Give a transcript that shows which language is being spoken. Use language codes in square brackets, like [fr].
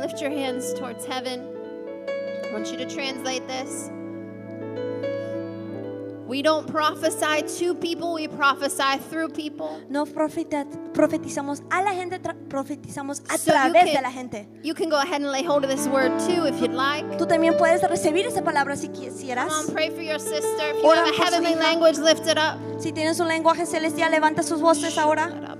[en] Lift your hands towards heaven. I want you to translate this. We don't prophesy to people, we prophesy through people. [es] No profetizamos a la gente, profetizamos a través de la gente. [en] You can go ahead and lay hold of this word too if you'd like. [es] Tú también puedes recibir esa palabra si quisieras. [en] Come on, pray for your sister. If you have a heavenly language, lift it up. [es] Si tienes un lenguaje celestial, levanta sus voces ahora.